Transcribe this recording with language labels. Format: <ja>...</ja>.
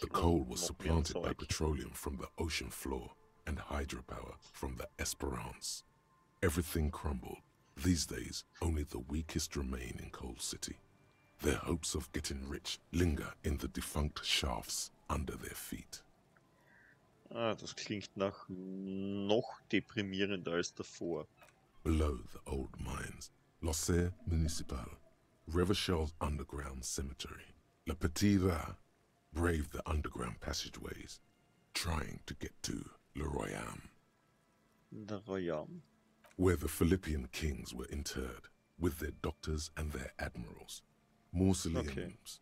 <en>The coal was supplanted by petroleum from the ocean floor and hydropower from the Esperance. Everything crumbled. These days, only the weakest remain in Coal City. Their hopes of getting rich linger in the defunct shafts under their feet.</en> <de>Ah, das klingt nach noch deprimierender als davor.</de> <en>Below the old mines, L'Auxerre Municipal, Revachol's underground cemetery. La Petite braved the underground passageways, trying to get to Le Royaume. Le Royaume? Where the Philippian kings were interred, with their doctors and their admirals. Mausoleums, okay.</en>